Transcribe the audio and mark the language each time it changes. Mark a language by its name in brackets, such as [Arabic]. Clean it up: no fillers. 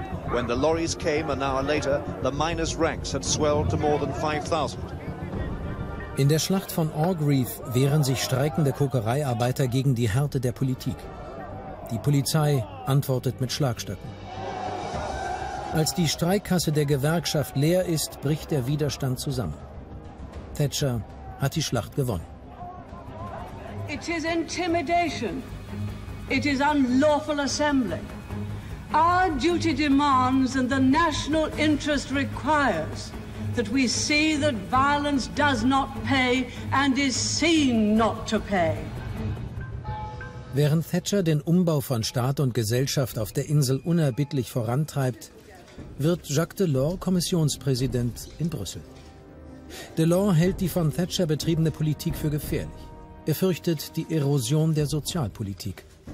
[English] When the lorries came an hour later, the miners' ranks had swelled to more than 5,000. [German] In der Schlacht von Orgreave wehren sich streikende Kokereiarbeiter gegen die Härte der Politik. Die Polizei antwortet mit Schlagstöcken. Als die Streikkasse der Gewerkschaft leer ist, bricht der Widerstand zusammen. Thatcher hat die Schlacht gewonnen. [English] It is intimidation. It is unlawful assembly. Our duty demands and the national interest requires that we see that violence does not pay and is seen not to pay. [German] Während Thatcher den Umbau von Staat und Gesellschaft auf der Insel unerbittlich vorantreibt, wird Jacques Delors Kommissionspräsident in Brüssel. Delors hält die von Thatcher betriebene Politik für gefährlich. Er fürchtet die Erosion der Sozialpolitik.